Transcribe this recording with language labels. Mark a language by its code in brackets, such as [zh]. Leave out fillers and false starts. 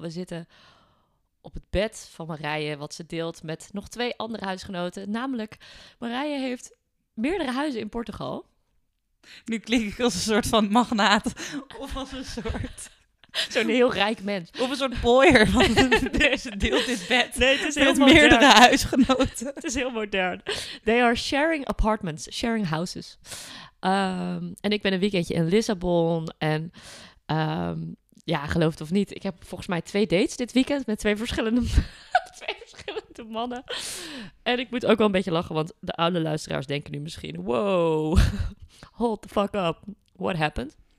[nl] We zitten op het bed van Marije, wat ze deelt met nog twee andere huisgenoten. Namelijk, Marije heeft meerdere huizen in Portugal. Nu klink ik als een soort van magnaat. Of als een soort... Zo'n heel rijk mens. Of een soort boyer. Ze deelt dit bed met meerdere huisgenoten. Het is heel modern. [en] They are sharing apartments, sharing houses. [nl] En ik ben een weekendje in Lissabon en geloof het of niet, ik heb volgens mij twee dates dit weekend met twee verschillende mannen. En ik moet ook wel een beetje lachen, want de oude luisteraars denken nu misschien, [en] wow, hold the fuck up, what happened?